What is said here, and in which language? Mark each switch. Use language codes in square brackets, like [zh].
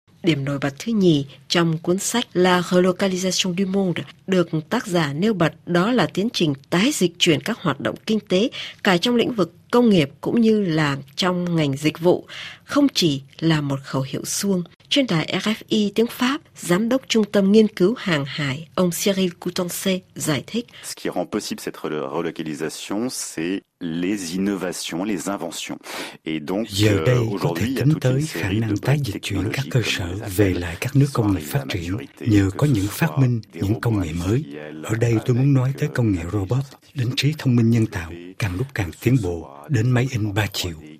[vi] Điểm nổi bật thứ nhì trong cuốn sách La relocalisation du monde được tác giả nêu bật đó là tiến trình tái dịch chuyển các hoạt động kinh tế cả trong lĩnh vực công nghiệp cũng như là trong ngành dịch vụ, không chỉ là một khẩu hiệu suông. Trên đài RFI tiếng Pháp, giám đốc Trung tâm Nghiên cứu Hàng hải, ông Cyril Coutancé giải thích: [fr] Ce qui rend possible cette relocalisation, c'est les innovations, les inventions. Et donc, [vi] giờ đây có thể tính tới khả năng tái dịch chuyển các cơ sở về lại các nước công nghiệp phát triển nhờ có những phát minh, những công nghệ mới. Ở đây tôi muốn nói tới công nghệ robot, đến trí thông minh nhân tạo, càng lúc càng tiến bộ, đến máy in 3 chiều.